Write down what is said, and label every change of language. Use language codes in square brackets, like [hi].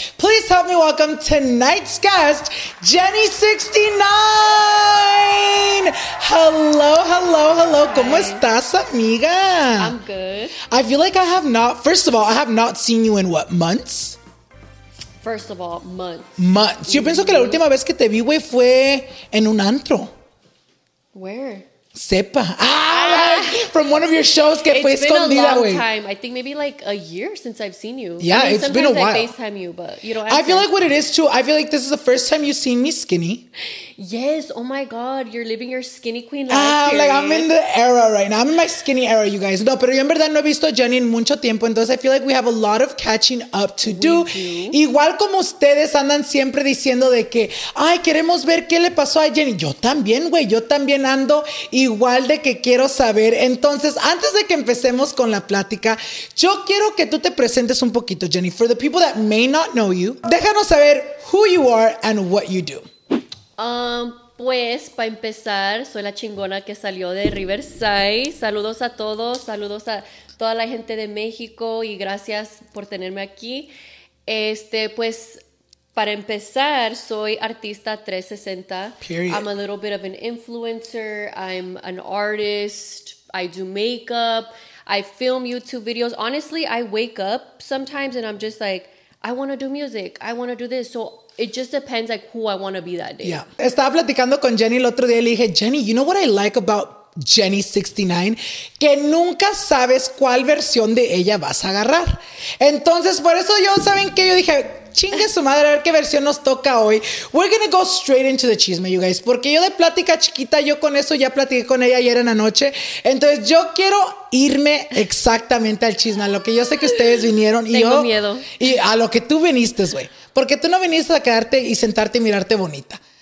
[en] Please help me welcome tonight's guest, Jenny69! Hello, hello, hello. Hi. [es] ¿Cómo estás, amiga? [en] I'm good. I feel like I have not seen you in what, months? First of all, months. Months. [es] Yo pienso que la última vez que te vi, güey, fue en un antro. [en] Where? [es] Sepa. [en] From one of your shows [es] que fue escondida, güey. [en] It's been a long time. I think maybe like a year since I've seen you. Yeah, I mean, it's been a while. I FaceTime you, but you don't answer. I feel like what it is, too. I feel like this is the first time you've seen me skinny. Yes. Oh, my God. You're living your skinny queen life. Like, I'm in the era right now. I'm in my skinny era, you guys. [es] No, pero yo en verdad no he visto a Jenny en mucho tiempo. Entonces, [en] I feel like we have a lot of catching up to do. [es] Igual como ustedes andan siempre diciendo de que, ay, queremos ver qué le pasó a Jenny. Yo también, güey. Yo también ando igual de que quiero saber. Entonces, antes de que empecemos con la plática, yo quiero que tú te presentes un poquito, Jenny. [en] For the people that may not know you, [es] déjanos saber [en] who you are and what you do. [es] Pues, para empezar, soy la chingona que salió de Riverside. Saludos a todos, saludos a toda la gente de México y gracias por tenerme aquí. Pues, para empezar, soy artista 360. [en] Period. I'm a little bit of an influencer. I'm an artist. I do makeup. I film YouTube videos. Honestly, I wake up sometimes and I'm just like, I want to do music. I want to do this. So it just depends like who I want to be that day. [es] Yeah. Estaba platicando con Jenny el otro día y le dije, Jenny, [en] you know what I like about Jenny 69? [es] Que nunca sabes cuál versión de ella vas a agarrar. Entonces, por eso yo, ¿saben qué? Yo dije, chingue su madre, a ver qué versión nos toca hoy. [en] We're gonna go straight into the chisme, you guys. [es] Porque yo de plática chiquita, yo con eso ya platiqué con ella ayer en la noche. Entonces, yo quiero irme exactamente al chisme, a lo que yo sé que ustedes vinieron. Tengo miedo. Y a lo que tú viniste, güey. Porque tú no viniste a quedarte y sentarte y mirarte bonita.